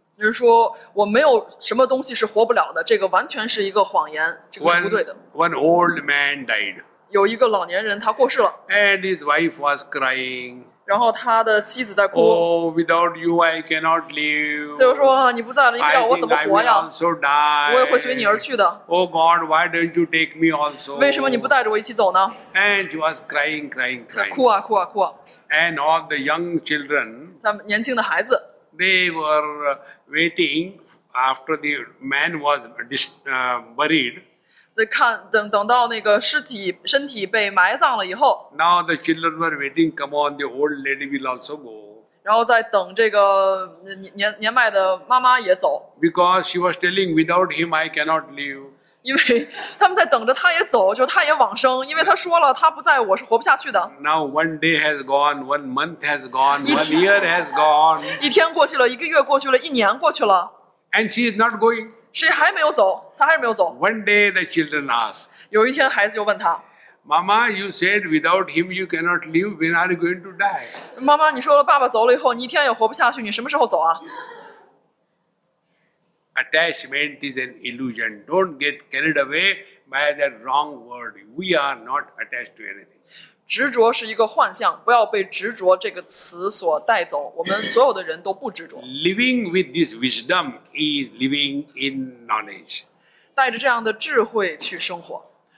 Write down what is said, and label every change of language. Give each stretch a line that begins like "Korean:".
Chinese: 就是说我没有什么东西是活不了的，这个完全是一个谎言，这个是不对的。
English: One old man died.
Chinese: 有一个老年人他过世了。
English: And his wife was crying.
Chinese: 然后他的妻子在哭。
English: Oh, without you I cannot live.
Chinese: 就是说你不在了，你不要我怎么活呀？
English: I think I will also die.
Chinese: 我也会随你而去的。
English: Oh God, why don't you take me also?
Chinese: 为什么你不带着我一起走呢？
English: And she was crying, crying, crying.
Chinese: 哭啊哭啊哭啊。
English: And all the young children.
Chinese: 他们年轻的孩子。
English: They were waiting after the man was buried.
Chinese: 等到那个身体被埋葬了以后。
English: Now the children were waiting. Come on, the old lady will also go.
Chinese: 然后在等这个年迈的妈妈也走。
English: Because she was telling, without him, I cannot live.
Chinese: 因为他们在等着他也走，就他也往生，因为他说了，他不在我是活不下去的。
English: Now one day has gone, one month has gone, one year has gone.
Chinese: 一天过去了，一个月过去了，一年过去了。
English: And she is not going.
Chinese: 谁还没有走？他还是没有走。
English: One day the children ask.
Chinese: 有一天孩子就问他。
English: Mama, you said without him you cannot live. When are you going to die?
Chinese: 妈妈，你说了爸爸走了以后，你一天也活不下去，你什么时候走啊？
English: Attachment is an illusion. Don't get carried away by the wrong word. We are not attached to anything.
Chinese: 执着是一个幻象，不要被执着这个词所带走。我们所有的人都不执着。
English: Living with this wisdom is living in knowledge.
Chinese: 带着这样的智慧去生活。